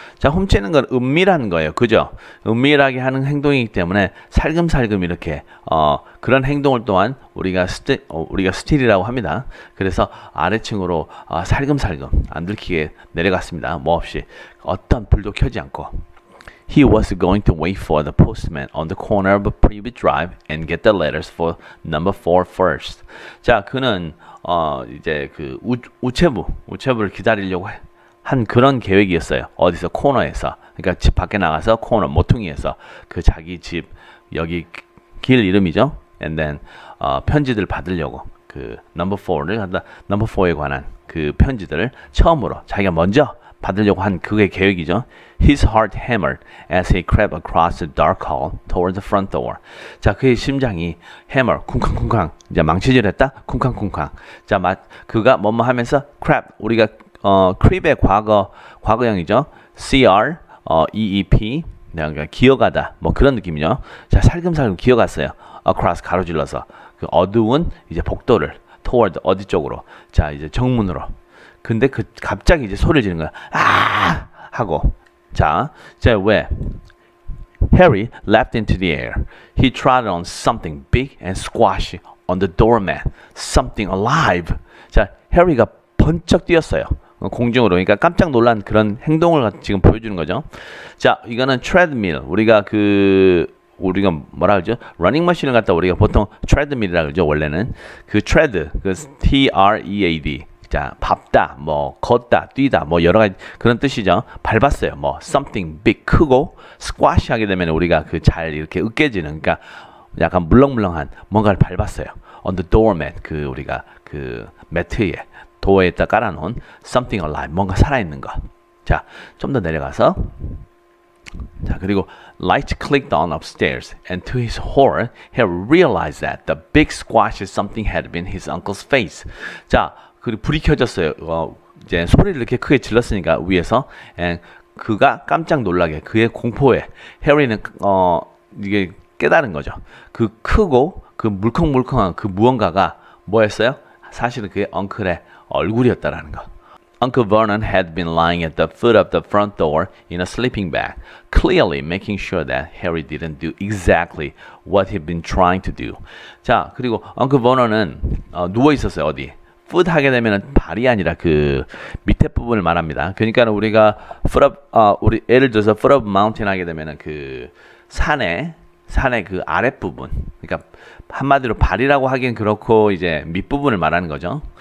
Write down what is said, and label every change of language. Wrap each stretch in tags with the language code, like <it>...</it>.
<ko>자, 훔치는 건 은밀한 거예요. 그죠? 은밀하게 하는 행동이기 때문에 살금살금 이렇게 그런 행동을 또한 우리가 steal이라고 합니다. 그래서 아래층으로 살금살금 안 들키게 내려갔습니다. 뭐 없이 어떤 불도 켜지 않고.</ko> <en>He was going to wait for the postman on the corner of a private drive and get the letters for number 4 first.</en> <ko>자, 그는 이제 그 우체부를 기다리려고 한 그런 계획이었어요. 어디서 코너에서. 그러니까 집 밖에 나가서 코너 모퉁이에서 그 자기 집 여기 길 이름이죠. And then 편지들 받으려고 그 number 4를 한다. number 4에 관한 그 편지들을 처음으로 자기가 먼저 받으려고 한 그게 계획이죠.</ko> <en>His heart hammered as he crept across the dark hall towards the front door.</en> <ko>자, 그의 심장이 hammer, 쿵쾅쿵쾅 이제 망치질했다. 쿵쾅쿵쾅. 자, 그가 뭐뭐 하면서 crept 우리가 creep의 과거형이죠. C-R, E-E-P, 그러니까 기어가다. 뭐 그런 느낌이죠. 자, 살금살금 기어갔어요. Across 가로질러서 그 어두운 이제 복도를 towards 어디 쪽으로. 자, 이제 정문으로. 근데 그 갑자기 이제 소리를 지르는 거야. 아! 하고. 자, 이제 왜?</ko> <en>Harry leapt into the air. He trod on something big and squashy on the doormat. Something alive.</en> <ko>자, 해리가 번쩍 뛰었어요. 공중으로. 그러니까 깜짝 놀란 그런 행동을 지금 보여주는 거죠. 자, 이거는 treadmill. 우리가 뭐라 그러죠? running machine을 갖다 우리가 보통 treadmill이라 그러죠. 원래는. 그 tread. 그 T-R-E-A-D. 자, 밟다, 뭐 걷다, 뛰다, 뭐 여러 가지 그런 뜻이죠. 밟았어요. 뭐 something big, 크고 squash 하게 되면 우리가 그 잘 이렇게 으깨지는, 그러니까 약간 물렁물렁한 뭔가를 밟았어요. On the doormat, 그 우리가 그 매트에, 도어에다 깔아놓은 something alive, 뭔가 살아있는 거. 자, 좀 더 내려가서.</ko> <en>자, 그리고 light clicked on upstairs and to his horror, he realized that the big squash is something had been his uncle's face. 자,</en> <ko>그리고 불이 켜졌어요. 이제 소리를 이렇게 크게 질렀으니까 위에서 and 그가 깜짝 놀라게 그의 공포에 해리는 이게 깨달은 거죠. 그 크고 그 물컹물컹한 그 무언가가 뭐였어요? 사실은 그의 엉클의 얼굴이었다라는 거.</ko> <en>Uncle Vernon had been lying at the foot of the front door in a sleeping bag, clearly making sure that Harry didn't do exactly what he'd been trying to do.</en> <ko>자, 그리고 Uncle Vernon은 누워 있었어요, 어디? foot 하게 되면은 발이 아니라 그 밑에 부분을 말합니다. 그러니까 우리가 foot up, 우리 예를 들어서 foot of mountain 하게 되면은 그 산의 그 아랫부분. 그러니까 한마디로 발이라고 하긴 그렇고 이제 밑부분을 말하는 거죠.</ko>